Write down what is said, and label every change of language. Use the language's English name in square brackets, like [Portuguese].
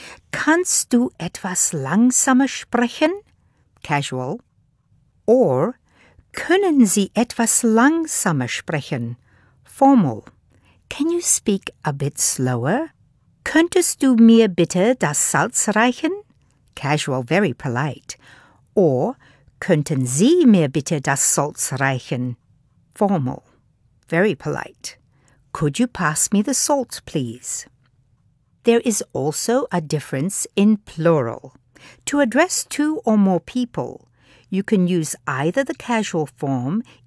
[German] Kannst du etwas langsamer sprechen? Casual. Or, können Sie etwas langsamer sprechen? [English] Formal. Can you speak a bit slower? [German] Könntest du mir bitte das Salz reichen? Casual, very polite. Or, könnten Sie mir bitte das Salz reichen? [English] Formal. Very polite. Could you pass me the salt, please? There is also a difference in plural. To address two or more people, you can use either the casual form,